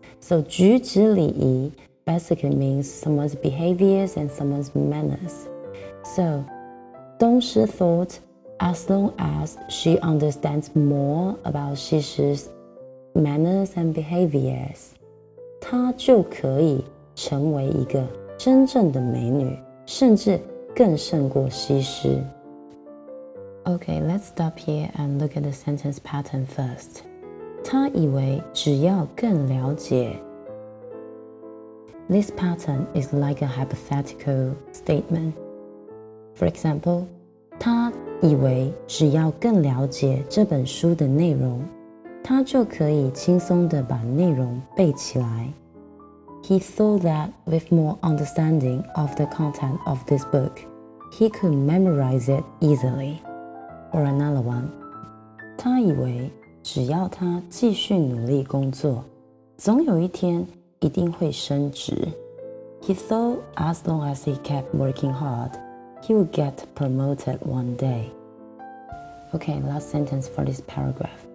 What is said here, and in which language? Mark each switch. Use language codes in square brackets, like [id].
[en] So 举止礼仪 basically means someone's behaviors and someone's manners. So 东师 thought as long as she understands more about 西施Manners and behaviors. [zh] 她就可以成为一个真正的美女，甚至更胜过西施。 [en] Okay, let's stop here and look at the sentence pattern first. [zh] 他以为只要更了解。 [en] This pattern is like a hypothetical statement. For example, [zh] 他以为只要更了解这本书的内容，他就可以轻松地把内容背起来。 [en] He thought that with more understanding of the content of this book, he could memorize it easily. Or another one. [zh] 他以为只要他继续努力工作，总有一天一定会升职。 [en] He thought as long as he kept working hard, he would get promoted one day. Okay, last sentence for this paragraph.